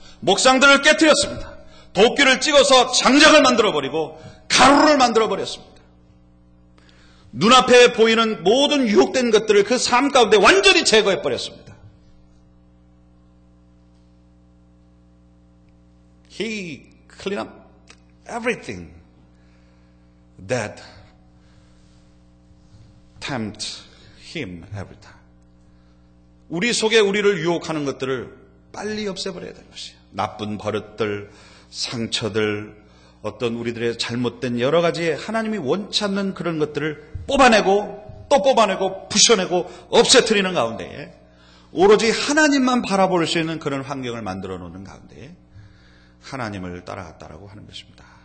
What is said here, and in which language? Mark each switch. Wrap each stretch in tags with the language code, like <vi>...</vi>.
<ko>목상들을 깨뜨렸습니다. 도끼를 찍어서 장작을 만들어버리고 가루를 만들어버렸습니다. 눈앞에 보이는 모든 유혹된 것들을 그 삶 가운데 완전히 제거해버렸습니다.</ko> <en>He cleaned up everything that tempt him every time.</en> <ko>우리 속에 우리를 유혹하는 것들을 빨리 없애버려야 되는 것이에요. 나쁜 버릇들 상처들, 어떤 우리들의 잘못된 여러 가지 하나님이 원치 않는 그런 것들을 뽑아내고 또 뽑아내고 부셔내고 없애트리는 가운데에 오로지 하나님만 바라볼 수 있는 그런 환경을 만들어 놓는 가운데에 하나님을 따라갔다라고 하는 것입니다.</ko>